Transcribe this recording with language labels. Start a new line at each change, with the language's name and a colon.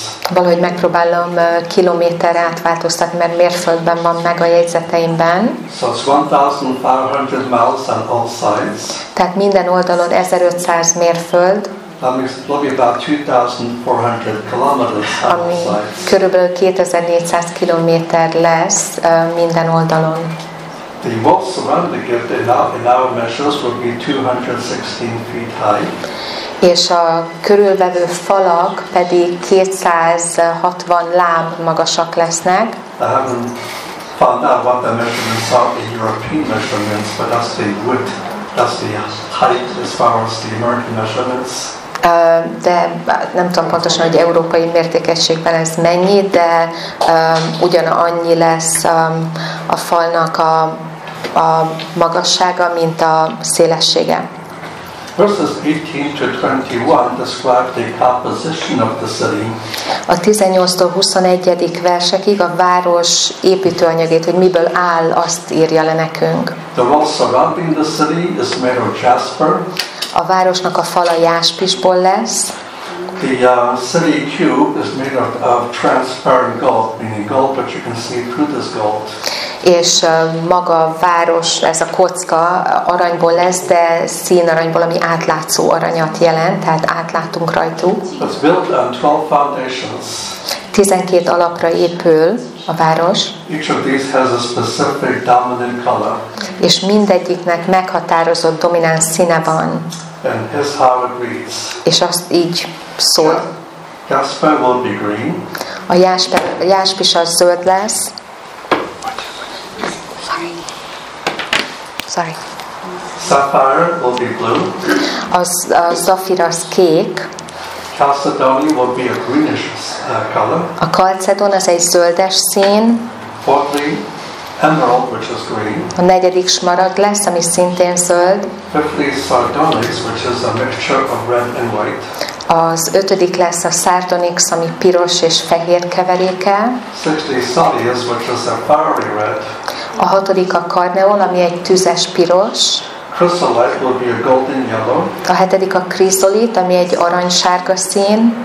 Hungarian: Valahogy megpróbálom kilométerre átváltoztatni, mert mérföldben van meg a jegyzeteimben.
English: So it's 1,500 miles on all sides.
Hungarian: Tehát minden oldalon 1,500 mérföld.
English: That makes probably about 2,400 kilometers.
Hungarian: Ami körülbelül 2,400 kilométer lesz minden oldalon.
English: The walls surrounding it in our measures would be 216 feet high.
Hungarian: És a körülvevő falak pedig 260 láb magasak lesznek.
English: I haven't found out what the measurements are in European measurements, but that's the height as far as the American measurements.
Hungarian: De nem tudom pontosan, hogy európai mértékegységben ez mennyi, de ugyanannyi lesz a falnak a magassága, mint a szélessége.
English: Verses 18-21 describe the composition of the city.
Hungarian: A 18-tól 21. versekig a város építőanyagét, hogy miből áll, azt írja le nekünk.
English: The wall surrounding the city is made of jasper.
Hungarian: A városnak a fala jáspisból lesz.
English: The city cube is made of transparent gold, meaning gold, but you can see through this gold.
Hungarian: És maga a város, ez a kocka aranyból lesz, de színaranyból, ami átlátszó aranyat jelent, tehát átlátunk rajtuk.
English: It's built on 12 foundations.
Hungarian: 12 alapra épül a város.
English: Each of these has a specific dominant color.
Hungarian: És mindegyiknek meghatározott domináns színe van.
English: And here's how it reads.
Hungarian: És azt így szól.
English: Jasper will be green.
Hungarian: A jáspis az zöld lesz.
English: Sorry. Sapphire will be blue.
Hungarian: A zafír az kék.
English: Chalcedony will be a greenish color.
Hungarian: A chalcedon az egy zöldes szín.
English: Fourthly, emerald, which is green.
Hungarian: A negyedik smaragd lesz, ami szintén zöld.
English: Fifthly, sardonyx, which is a mixture of red and white.
Hungarian: Az ötödik lesz a sardonyx, ami piros és fehér keveréke.
English: Sixthly, sardius, which is a fiery red.
Hungarian: A hatodik a karneol, ami egy tüzes piros.
English: Chrysolite will be a golden yellow.
Hungarian: A hetedik a chrysolite, ami egy aranysárga szín.